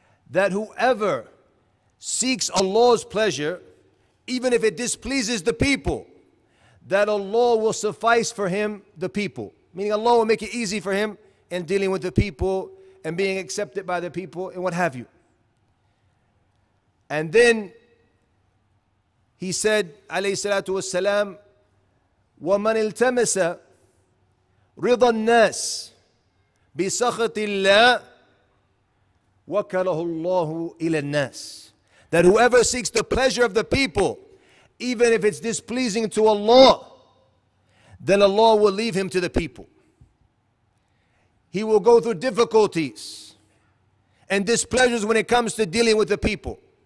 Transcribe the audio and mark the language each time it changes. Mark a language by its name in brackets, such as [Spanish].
[English] That whoever seeks Allah's pleasure, even if it displeases the people, that Allah will suffice for him the people. Meaning Allah will make it easy for him in dealing with the people and being accepted by the people and what have you. And then he said, alayhi salatu wassalam, [Arabic] وَمَنْ إِلْتَمَسَ رِضَ النَّاسِ بِسَخَطِ اللَّهِ وَكَلَهُ اللَّهُ إِلَى النَّاسِ. [English] That whoever seeks the pleasure of the people, even if it's displeasing to Allah, then Allah will leave him to the people. He will go through difficulties and displeasures when it comes to dealing with the people.